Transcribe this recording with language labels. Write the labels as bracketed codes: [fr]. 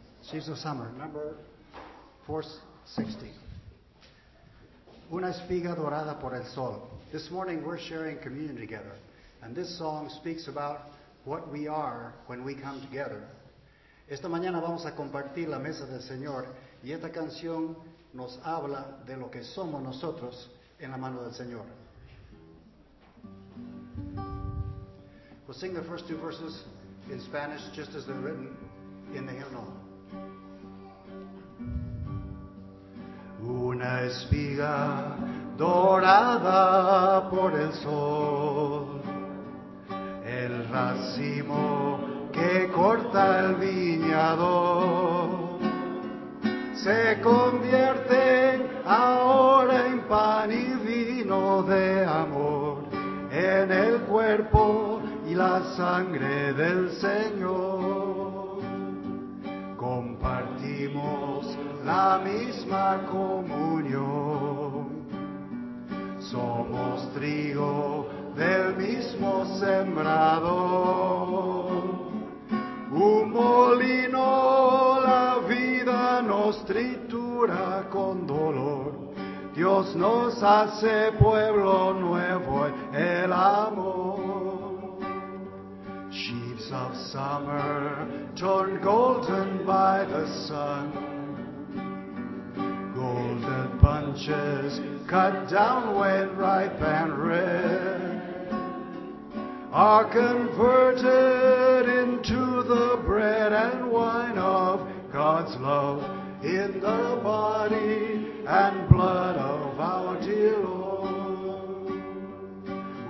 [en] Sheaves of Summer, number 460. [es] Una espiga dorada por el sol. [en] This morning we're sharing communion together, and this song speaks about what we are when we come together. [es] Esta mañana vamos a compartir la mesa del Señor y esta canción nos habla de lo que somos nosotros en la mano del Señor. [en] We'll sing the first two verses in Spanish just as they're written in the hymnal. [es] Una espiga dorada por el sol, el racimo que corta el viñador, se convierte ahora en pan y vino de amor, en el cuerpo y la sangre del Señor. Compartimos la misma comunión, somos trigo del mismo sembrador. Un molino la vida nos tritura con dolor. Dios nos hace pueblo nuevo en el amor. [en] Sheaves of summer turned golden by the sun. Gold sugar punches, cut down when ripe and red, are converted into the bread and wine of God's love in the body and blood of our dear Lord.